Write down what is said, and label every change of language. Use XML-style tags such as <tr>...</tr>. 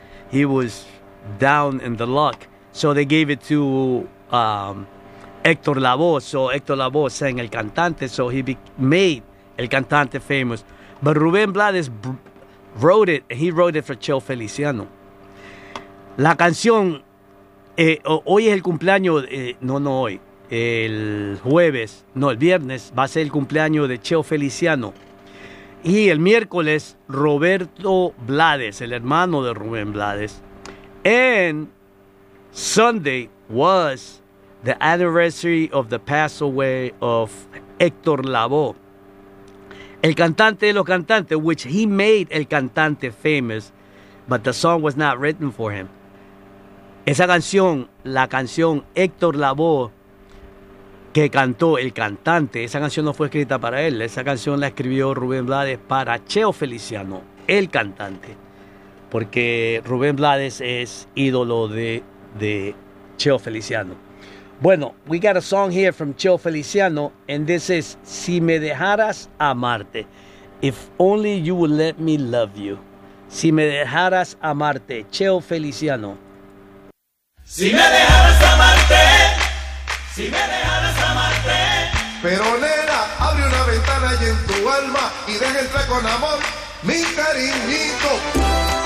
<en>He was down in the luck. So they gave it to Héctor Lavoe. So Héctor Lavoe sang El Cantante, so he made El Cantante famous. But Rubén Blades wrote it, and he wrote it for Cheo Feliciano.</en> <es>La canción, hoy es el cumpleaños, no, no hoy, el jueves, no, el viernes va a ser el cumpleaños de Cheo Feliciano. Y el miércoles, Roberto Blades, el hermano de Rubén Blades.</es> <en>And Sunday was the anniversary of the pass away of Héctor Lavoe,</en> <es>el cantante de los cantantes,</es> <en>which he made El Cantante famous, but the song was not written for him.</en> <es>Esa canción, la canción Héctor Lavoe, que cantó el cantante, esa canción no fue escrita para él, esa canción la escribió Rubén Blades para Cheo Feliciano, el cantante, porque Rubén Blades es ídolo de Cheo Feliciano.</es> <en>Bueno, we got a song here from Cheo Feliciano, and this is Si me dejaras amarte, If only you would let me love you.</en> <es>Si me dejaras amarte, Cheo Feliciano. Si me dejaras amarte, si me dejaras amarte. Pero nena, abre una ventana ahí en tu alma y deja entrar con amor, mi cariñito.</es>